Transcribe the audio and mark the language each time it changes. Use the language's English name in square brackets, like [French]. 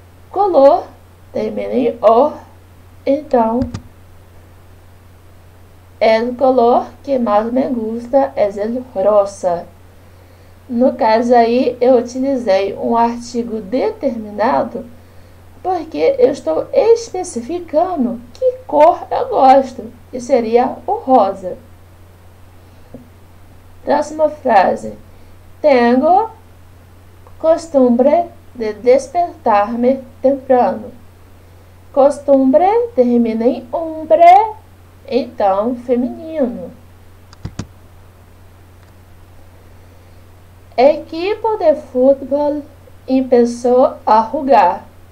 [Spanish] Color [Portuguese] termina em O, então [Spanish] el color que mais me gusta es el rosa. [Portuguese] No caso aí, eu utilizei um artigo determinado porque eu estou especificando que cor eu gosto, que seria o rosa. Próxima frase. [Spanish] Tengo costumbre de despertarme temprano. [Portuguese] Costumbre termina em umbre, então feminino. [Spanish] Equipo de futebol empezó a jugar.